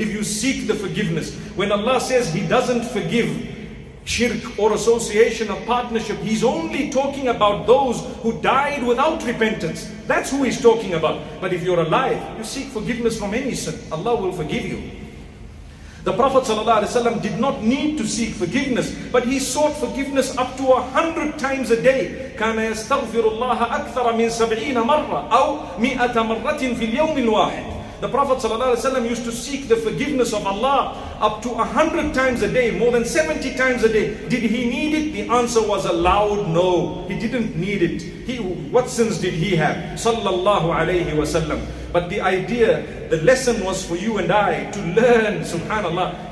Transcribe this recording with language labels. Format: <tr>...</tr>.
<en>If you seek the forgiveness. When Allah says He doesn't forgive shirk or association or partnership, He's only talking about those who died without repentance. That's who He's talking about. But if you're alive, you seek forgiveness from any sin, Allah will forgive you. The Prophet sallallahu alaihi wasallam did not need to seek forgiveness, but he sought forgiveness up to 100 times a day.</en> <ar>كان يستغفر الله أكثر من 70 مرة أو 100 مرة في اليوم الواحد.</ar> <en>The Prophet sallallahu alaihi wasallam used to seek the forgiveness of Allah up to 100 times a day, more than 70 times a day. Did he need it? The answer was a loud no. He didn't need it. What sins did he have? Sallallahu alaihi wasallam. But the idea, the lesson was for you and I to learn, subhanallah.</en>